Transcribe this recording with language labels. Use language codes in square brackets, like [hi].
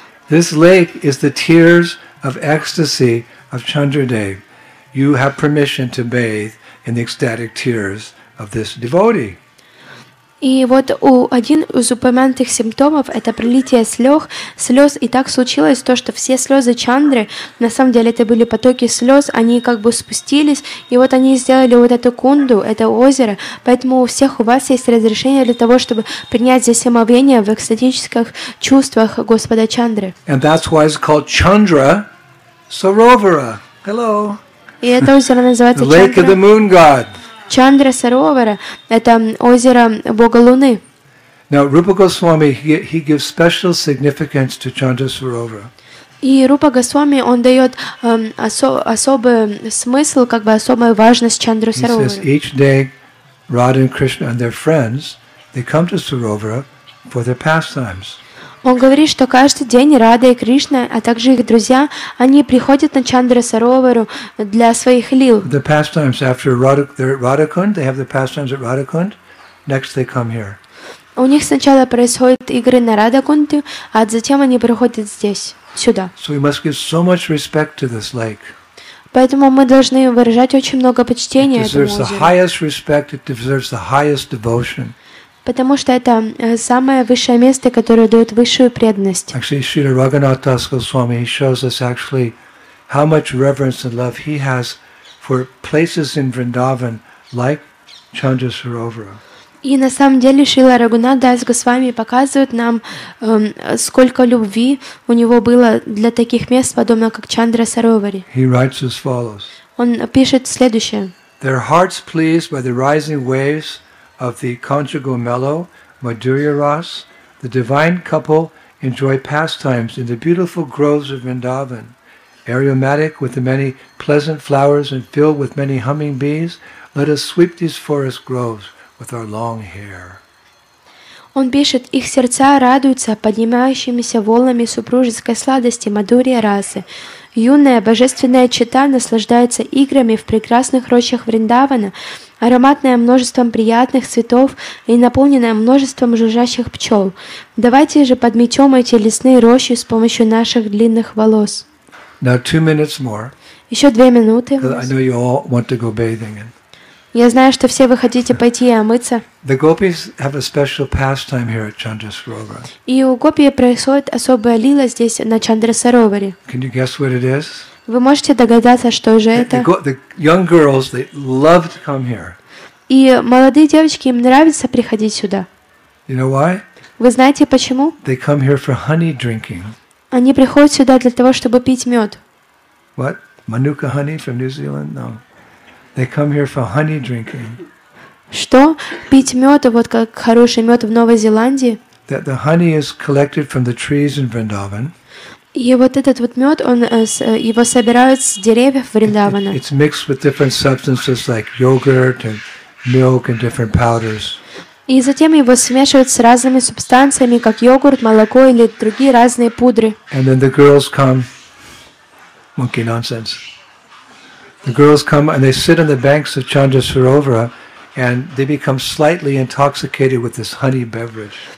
[en] This lake is the tears of ecstasy of Chandra Dev. you have permission to bathe in the ecstatic tears of this devotee. [ru] И вот у один из упомянутых симптомов это пролитие слез, и так случилось то, что все слезы Чандры, на самом деле это были потоки слез, они как бы спустились, и вот они сделали вот эту кунду, это озеро, поэтому у всех у вас есть разрешение для того, чтобы принять здесь омовение в экстатических чувствах Господа Чандры. [en] And that's why it's called Chandra Sarovara. Hello. [ru] И это озеро называется [en] Chandra. Lake of the Moon God. [ru] Чандра Саровара – это озеро Бога Луны. [en] Now, Rupa Goswami, he gives special significance to Chandra Sarovara. [ru] И Рупа Госвами, он дает особый смысл, как бы особую важность Чандра Саровара. [en] He says, each day, Radha and Krishna and their friends, they come to Sarovara for their pastimes. [ru] Он говорит, что каждый день Рада и Кришна, а также их друзья, они приходят на Чандра Саровару для своих лил. [en] The pastimes after Radhakund, they have the pastimes at Radhakund. Next they come here. [ru] У них сначала происходят игры на Радхакунде, а затем они приходят здесь, сюда. [en] So we must give so much respect to this lake. [ru] Поэтому мы должны выражать очень много почтения этому [en] It deserves the highest respect, it deserves the highest devotion. [ru] Потому что это самое высшее место, которое дает высшую преданность. [en] Actually, Srila Raghunath Das Goswami, he shows us actually how much reverence and love he has for places in Vrindavan like Chandra Sarovara. [ru] И на самом деле Шрила Рагхунат Дас Госвами показывает нам, сколько любви у него было для таких мест, подобно как Чандра Саровари. [en] He writes as follows. [ru] Он пишет следующее. [en] Their hearts pleased by the rising waves of the conjugal mellow Madhurya Ras, the divine couple enjoy pastimes in the beautiful groves of Vrindavan. Aromatic with the many pleasant flowers and filled with many humming bees, let us sweep these forest groves with our long hair. [ru] Он пишет, их сердца радуются поднимающимися волнами супружеской сладости Мадурья Расы. Юная божественная чета наслаждается играми в прекрасных рощах Вриндавана, ароматная множеством приятных цветов и наполненная множеством жужжащих пчел. Давайте же подметем эти лесные рощи с помощью наших длинных волос. [en] Now, 2 minutes more. [ru] Еще 2 минуты. [en] I know you all want to go bathing. [ru] Я знаю, что все вы хотите пойти и омыться. [en] The gopis have a special pastime here at Chandra Sarovara. [ru] И у гопи происходит особая лила здесь на Чандра Сароваре. [en] Can you guess what it is? [ru] Вы можете догадаться, что же это? [en] The young girls, they love to come here. [ru] И молодые девочки, им нравится приходить сюда. [en] You know why? [ru] Вы знаете почему? [en] They come here for honey drinking. [ru] Они приходят сюда для того, чтобы пить мед. [en] What? Manuka honey from New Zealand? No. They come here for honey drinking. [ru] Что? Пить мёд, вот как хороший мёд в Новой Зеландии? [en] That the honey is collected from the trees in Vrindavan. [ru] И вот этот вот мёд, он его собирают с деревьев Вриндавана. [en] It's mixed with different substances like yogurt and milk and different powders. [ru] И затем его смешивают с разными субстанциями, как йогурт, молоко или другие разные пудры. [en] And then the girls come. Monkey nonsense. The girls come and they sit on the banks of Chandra Sarovara and they become slightly intoxicated with this honey beverage.